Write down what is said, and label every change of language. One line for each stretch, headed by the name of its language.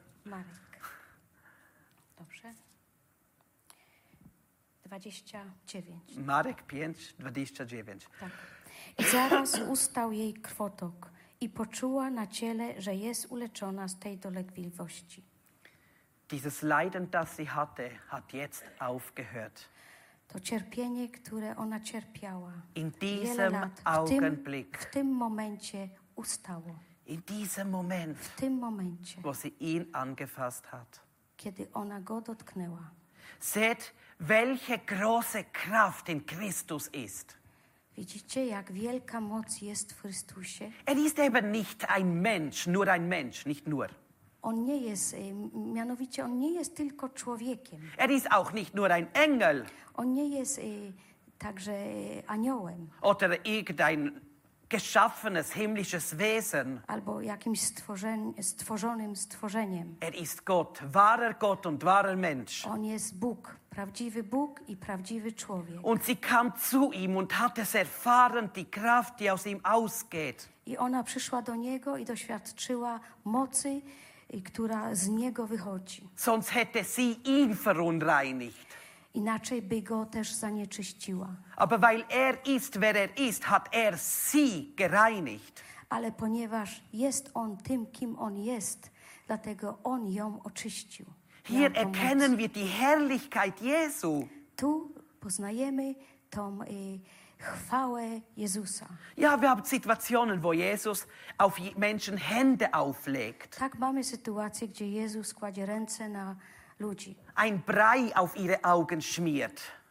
Polish: Marek. Dobrze. 29. Marek 5, 29. Tak. I zaraz ustał jej krwotok i poczuła na ciele, że jest uleczona z tej dolegliwości.
German: Dieses Leiden, das sie hatte, hat jetzt aufgehört.
Polish: To cierpienie, które ona cierpiała.
German: In diesem Augenblick.
Polish: W tym momencie ustało.
German: In diesem Moment.
Polish: W tym momencie.
German: Wo sie ihn angefasst hat.
Polish: Kiedy ona go dotknęła.
German: Seht, welche große Kraft in Christus ist.
Polish: Widzicie, jak wielka moc jest w Chrystusie?
German: Er ist eben nicht ein Mensch, nur ein Mensch, nicht nur.
Polish: On nie jest, mianowicie, on nie jest tylko człowiekiem.
German: Er ist auch nicht nur ein Engel.
Polish: On nie jest także aniołem.
German: Oder irgendein geschaffenes himmlisches Wesen.
Polish: Albo jakimś stworzonym stworzeniem.
German: Er ist Gott, wahrer Gott und wahrer Mensch.
Polish: On jest Bóg, prawdziwy Bóg i prawdziwy człowiek.
German: Und sie kam zu ihm und hat es erfahren, die Kraft, die aus ihm ausgeht.
Polish: I ona przyszła do niego i doświadczyła mocy, która z niego wychodzi.
German: Sonst hätte sie ihn verunreinigt.
Polish: Inaczej by go też zanieczyściła.
German: Aber weil ist, wer ist, hat sie gereinigt.
Polish: Ale ponieważ jest on tym, kim on jest, dlatego on ją oczyścił.
German: Hier erkennen wir die Herrlichkeit Jesu.
Polish: Tu poznajemy tą chwałę Jezusa.
German: Ja, wir haben Situationen, wo Jesus auf Menschen Hände auflegt.
Polish: Tak, mamy sytuację, gdzie Jezus kładzie ręce na ludzi.
German: Ein Brei auf ihre Augen schmiert.